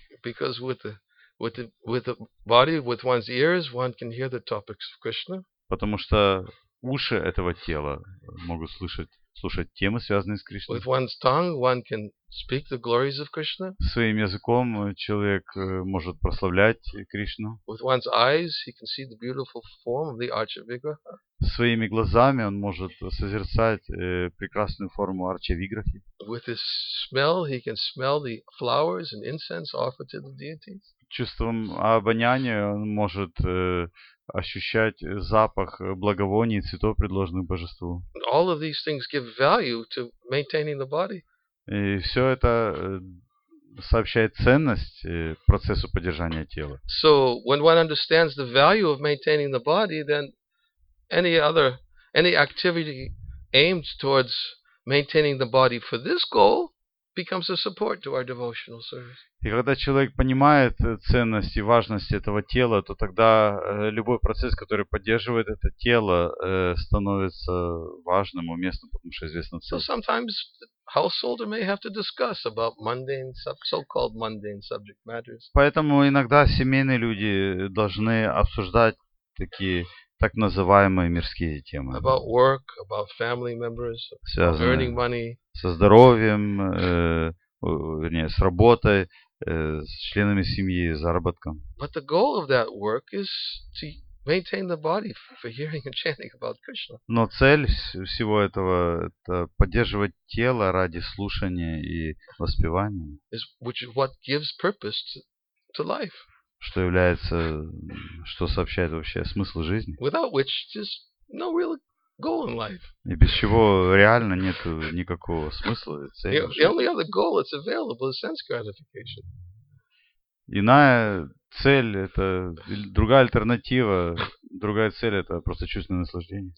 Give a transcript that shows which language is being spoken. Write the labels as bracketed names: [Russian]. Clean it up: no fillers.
[English] Because with the body, with one's ears, one can hear the topics of Krishna. [Russian] Потому что уши этого тела могут слушать темы, связанные с Кришной. [English] With one's tongue, one can speak the glories of Krishna. [Russian] Своим языком человек может прославлять Кришну. [English] With one's eyes, he can see the beautiful form of the Archa-Vigraha. [Russian] Своими глазами он может созерцать прекрасную форму Арчавиграхи. [English] With his smell, he can smell the flowers and incense offered to the deities. [Russian] Чувством обоняния он может ощущать запах благовоний и цветов, предложенных божеству. [English] All of these things give value to maintaining the body. [Russian] И все это сообщает ценность процессу поддержания тела. [English] So when one understands the value of maintaining the body, then any activity aimed towards maintaining the body for this goal becomes a support to our devotional service. [Russian] И когда человек понимает ценность и важность этого тела, то тогда любой процесс, который поддерживает это тело, становится важным, уместным, потому что известно цель. [English] So sometimes householder may have to discuss about mundane, so-called mundane subject matters. [Russian] Поэтому иногда семейные люди должны обсуждать такие так называемые мирские темы. [English] About work, about family members, [Russian] связанные [English] earning money. [Russian] Со здоровьем, с работой, с членами семьи, с заработком. [English] But the goal of that work is to maintain the body for hearing and chanting about Krishna. [Russian] Но цель всего этого – это поддерживать тело ради слушания и воспевания. [English] Which is what gives purpose to life. [Russian] Что является, что сообщает вообще смысл жизни. [English] Without which there's no real goal in life. [Russian] И без чего реально нет никакого смысла и цели. [English] The only other goal that's available is sense gratification. [Russian] Иная цель – это другая альтернатива, другая цель – это просто чувственное наслаждение.